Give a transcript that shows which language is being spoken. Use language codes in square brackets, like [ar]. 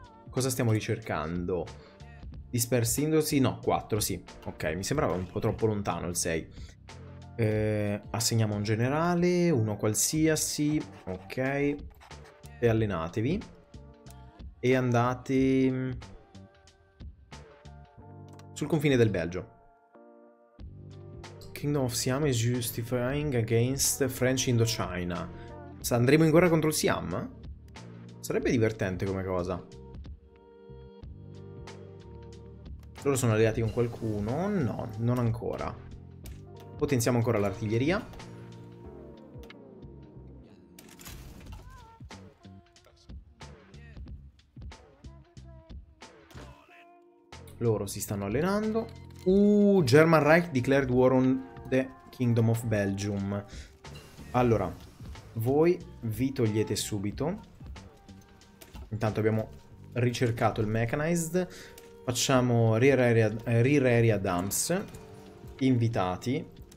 [it] Cosa stiamo ricercando? Dispersed Industry, no, 4, sì, ok, mi sembrava un po' troppo lontano il 6. Assegniamo un generale, uno qualsiasi, ok, e allenatevi e andate sul confine del Belgio. [en] Kingdom of Siam is justifying against French Indochina. [it] Andremo in guerra contro il Siam? Sarebbe divertente come cosa. Loro sono alleati con qualcuno? No, non ancora. Potenziamo ancora l'artiglieria. Loro si stanno allenando. [en] German Reich declared war on the Kingdom of Belgium. [it] Allora, voi vi togliete subito. Intanto abbiamo ricercato il mechanized. Facciamo rear area dumps. Invitati.